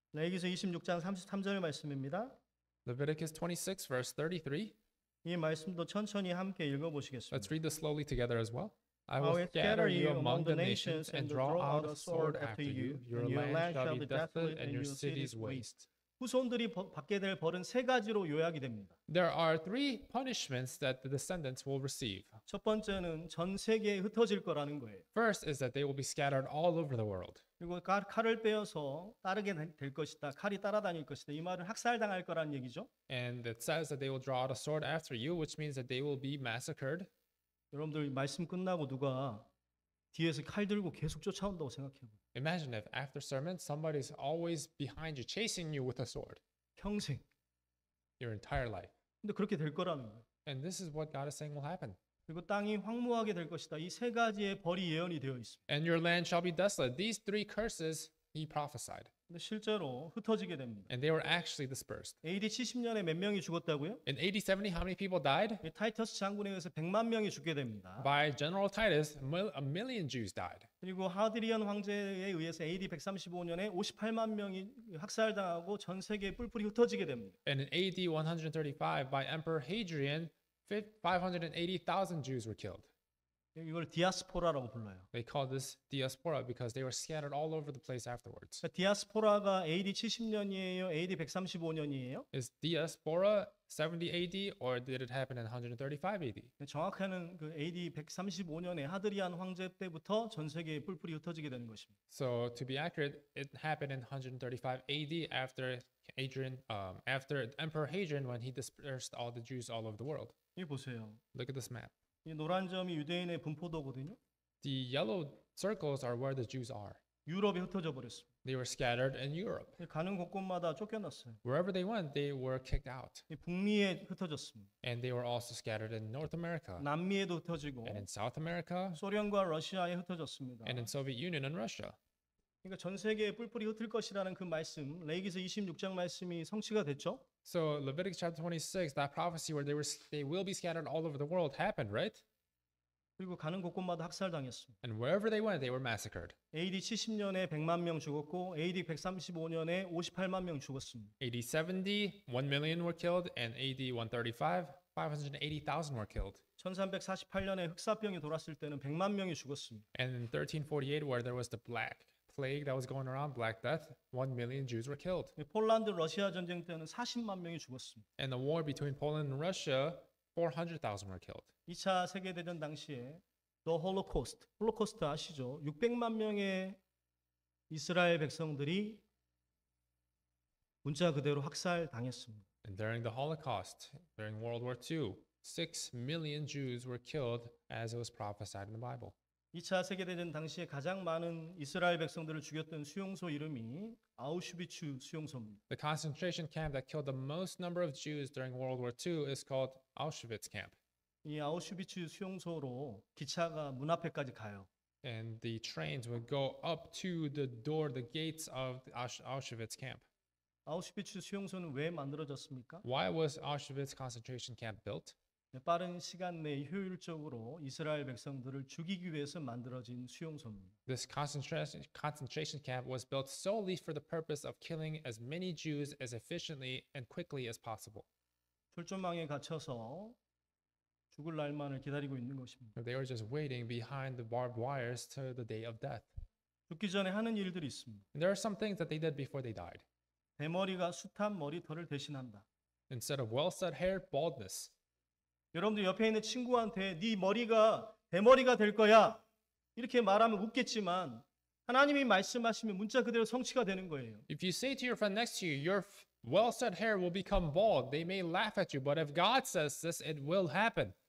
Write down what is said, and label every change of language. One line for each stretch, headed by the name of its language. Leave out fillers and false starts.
Korean: 레위기서 26장 33절의 말씀입니다.
English: Leviticus 26 verse 33.
Korean: 이 말씀도 천천히 함께 읽어보시겠습니다.
English: Let's read this slowly together as well. I will scatter you among the nations and draw out a sword after you. Your land shall be desolate and your cities waste.
Korean: 후손들이 받게 될 벌은 세 가지로 요약이 됩니다.
English: There are three punishments that the descendants will receive.
Korean: 첫 번째는 전 세계에 흩어질 거라는 거예요.
English: First is that they will be scattered all over the world.
Korean: 그리고 칼을 빼어서 따르게 될 것이다. 칼이 따라다닐 것이다. 이 말은 학살당할 거라는 얘기죠.
English: And it says that they will draw out a sword after you, which means that they will be massacred.
Korean: 여러분들 말씀 끝나고 누가 뒤에서 칼 들고 계속 쫓아온다고 생각해 봐.
English: Imagine if after sermon somebody is always behind you chasing you with a sword.
Korean: 평생.
English: Your entire life.
Korean: 근데 그렇게 될 거라는 거예요.
English: And this is what God is saying will happen.
Korean: 그리고 땅이 황무하게 될 것이다. 이 세 가지의 벌이 예언이 되어 있습니다.
English: And your land shall be desolate. These three curses he prophesied.
Korean: 근데 실제로 흩어지게 됩니다.
English: And they were actually dispersed.
Korean: AD 70년에 몇 명이 죽었다고요?
English: In AD 70 how many people died?
Korean: 타이터스 장군에 의해서 100만 명이 죽게 됩니다.
English: By General Titus a million Jews died.
Korean: 그리고 하드리안 황제에 의해서 AD 135년에 58만 명이 학살당하고 전 세계에 뿔뿔이 흩어지게 됩니다.
English: And in AD 135 by Emperor Hadrian 580,000 Jews were killed.
Korean: 이걸 디아스포라라고 불러요.
English: They call this diaspora because they were scattered all over the place afterwards.
Korean: 디아스포라가 AD 70년이에요, AD 135년이에요?
English: Is diaspora 70 AD or did it happen in 135 AD?
Korean: 정확하게는 그 AD 135년에 하드리안 황제 때부터 전 세계에 뿔뿔이 흩어지게 되는 것입니다.
English: So to be accurate, it happened in 135 AD after Hadrian, after Emperor Hadrian when he dispersed all the Jews all over the world.
Korean: 이 보세요.
English: Look at this map.
Korean: 이 노란 점이 유대인의 분포도거든요.
English: The yellow circles are where the Jews are.
Korean: 유럽에 흩어져 버렸습니다.
English: They were scattered in Europe.
Korean: 가는 곳곳마다 쫓겨났어요.
English: Wherever they went, they were kicked out.
Korean: 북미에 흩어졌습니다.
English: And they were also scattered in North America.
Korean: 남미에도 흩어지고.
English: And in South America.
Korean: 소련과 러시아에 흩어졌습니다.
English: And in Soviet Union and Russia.
Korean: 그러니까 전 세계에 뿔뿔이 흩을 것이라는 그 말씀, 레위기서 26장 말씀이 성취가 됐죠?
English: So Leviticus chapter 26, that prophecy where they will be scattered all over the world happened, right?
Korean: 그리고 가는 곳곳마다 학살당했습니다.
English: And wherever they went, they were massacred.
Korean: AD 70년에 100만 명 죽었고, AD 135년에 58만 명 죽었습니다.
English: AD 70, 1 million were killed, and AD 135, 580,000 were killed.
Korean: 1348년에 흑사병이 돌았을 때는 100만 명이 죽었습니다.
English: And in 1348, where there was the black. Plague that was going around, Black Death, 1 million Jews were killed.
Korean: 폴란드 러시아 전쟁 때는 40만 명이 죽었습니다.
English: And the war between Poland and Russia, 400,000 were killed.
Korean: 2차 세계 대전 당시에 the Holocaust, 홀로코스트 아시죠? 600만 명의 이스라엘 백성들이 문자 그대로 학살 당했습니다.
English: And during the Holocaust, during World War II, 6 million Jews were killed as it was prophesied in the Bible.
Korean: 2차 세계대전 당시에 가장 많은 이스라엘 백성들을 죽였던 수용소 이름이 아우슈비츠 수용소입니다.
English: The concentration camp that killed the most number of Jews during World War II is called Auschwitz camp.
Korean: 이 아우슈비츠 수용소로 기차가 문 앞에까지 가요.
English: And the trains would go up to the door, the gates of the Auschwitz camp.
Korean: 아우슈비츠 수용소는 왜 만들어졌습니까?
English: Why was Auschwitz concentration camp built?
Korean: 빠른 시간 내 효율적으로 이스라엘 백성들을 죽이기 위해서 만들어진 수용소입니다.
English: This concentration camp was built solely for the purpose of killing as many Jews as efficiently and quickly as possible.
Korean: 출전망에 갇혀서 죽을 날만을 기다리고 있는 것입니다.
English: They were just waiting behind the barbed wires to the day of death.
Korean: 죽기 전에 하는 일들이 있습니다.
English: And there are some things that they did before they died.
Korean: 대머리가 숱한 머리털을 대신한다.
English: Instead of well-set hair, baldness.
Korean: 여러분들 옆에 있는 친구한테 네 머리가 대머리가 될 거야 이렇게 말하면 웃겠지만 하나님이 말씀하시면 문자 그대로 성취가 되는 거예요.
English: If you say to your friend next to you, your well-set hair will become bald, they may laugh at you, but if God says this, it will happen.